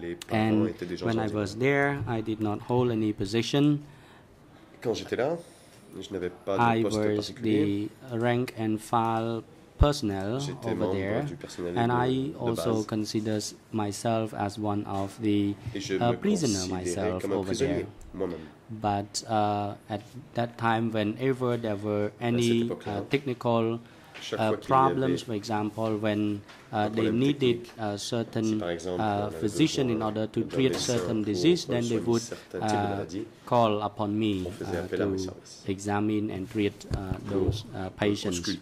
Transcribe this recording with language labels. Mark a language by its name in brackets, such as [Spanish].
[English] And when I was there, I did not hold any position. [French] Quand j'étais là, je n'avais pas de poste particulier. [English] I was the rank and file personnel over there, and I also consider myself as one of the prisoner myself over there. But at that time, whenever there were any technical problems, for example, when they needed a certain physician in order to treat certain disease, then they would call upon me to examine and treat those patients.